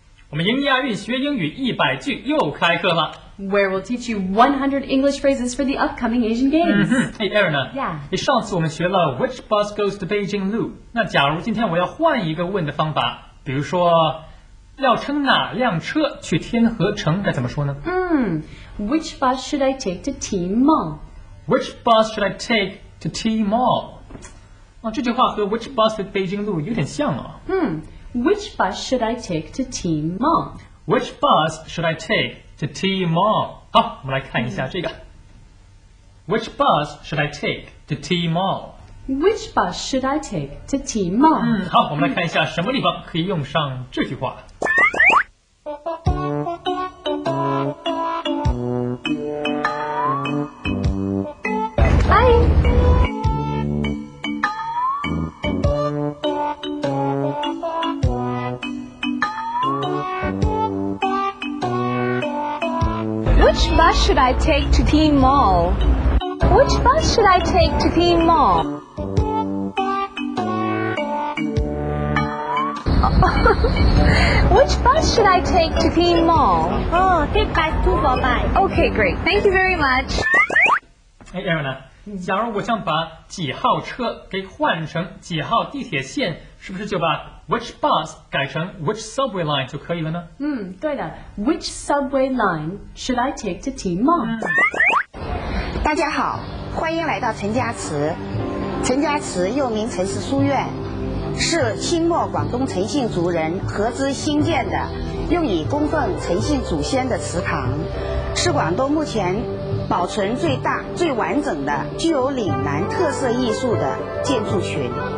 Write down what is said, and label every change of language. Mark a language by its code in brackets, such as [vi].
[zh] 我们迎亚运学英语一百句又开课了 [en] Where we'll teach you 100 English phrases for the upcoming Asian Games、 mm-hmm. Hey Erna Yeah [zh] 上次我们学了 [en] Which bus goes to Beijing Lu [zh] 那假如今天我要换一个问的方法比如说要乘哪辆车去天河城该怎么说呢、 [en] Which bus should I take to T Mall Which bus should I take to T Mall、 [zh] 哦、这句话和 [en] Which bus to Beijing Lu [zh] 有点像哦、 [en] Which bus should I take to T Mall? Which bus should I take to T Mall? [zh] 好，我们来看一下这个。 [en] Which bus should I take to T Mall? Which bus should I take to T Mall? [zh] 好，我们来看一下什么地方可以用上这句话。 [en] Which bus should I take to T Mall? Which bus should I take to T Mall? Which bus should I take to T Mall? Oh, take bus 245. Okay, great. Thank you very much. [zh] Hey, Erna, 假如我想把几号车给换成几号地铁线，是不是就把 which bus 改成 [en] which subway line [zh] 就可以了呢？对的。 [en] Which subway line should I take to T Mall?、 [zh] 大家好，欢迎来到陈家祠。陈家祠又名陈氏书院，是清末广东陈姓族人合资兴建的，用以供奉陈姓祖先的祠堂，是广东目前保存最大、最完整的、具有岭南特色艺术的建筑群。